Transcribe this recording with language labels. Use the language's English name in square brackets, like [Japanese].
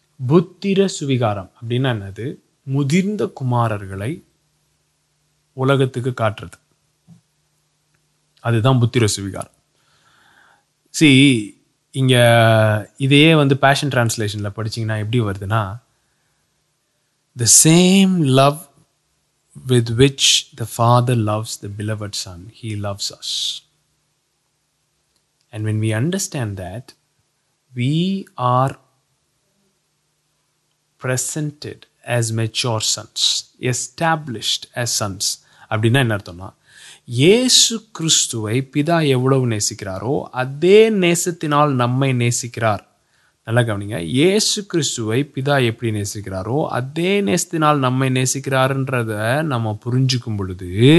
[Tamil] புத்திர சுவிகாரம் அப்படின்னா என்னது, முதிர்ந்த குமாரர்களை உலகத்துக்கு காட்டுறது, அதுதான் புத்திர சுவிகாரம். [English] சி [Tamil] இங்க இதையே வந்து பேஷன் டிரான்ஸ்லேஷன்ல படிச்சீங்கன்னா எப்படி வருதுன்னா, [English] The same love with which the father loves the beloved son, he loves us. And when we understand that, we are presented as mature sons, established as sons. [Tamil] அப்படினா என்ன அர்த்தம்னா, இயேசு கிறிஸ்துவை பிதா எவ்வளவு நேசிக்கிறாரோ அதே நேசத்தினால் நம்மை நேசிக்கிறார். நல்லா கவனிங்க, இயேசு கிறிஸ்துவை பிதா எப்படி நேசிக்கிறாரோ அதே நேசத்தினால் நம்மை நேசிக்கிறாருன்றத நம்ம புரிஞ்சுக்கும் பொழுது,